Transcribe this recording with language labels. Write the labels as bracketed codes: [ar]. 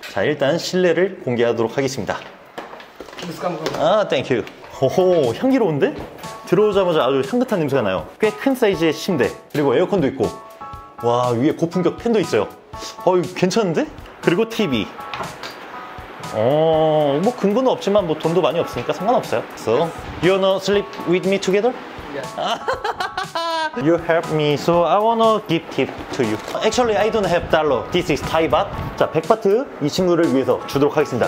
[ko] 자, 일단 실내를 공개하도록 하겠습니다. 아, 땡큐. 오호, 향기로운데? 들어오자마자 아주 향긋한 냄새가 나요. 꽤 큰 사이즈의 침대, 그리고 에어컨도 있고, 와, 위에 고품격 팬도 있어요. 어이, 괜찮은데? 그리고 TV. 뭐 근거는 없지만 뭐 돈도 많이 없으니까 상관없어요. [en] So, you wanna sleep with me together? Yeah. You help me, so I wanna give tip to you. Actually, I don't have dollar. This is Thai baht. [ko] 자, 100바트 이 친구를 위해서 주도록 하겠습니다.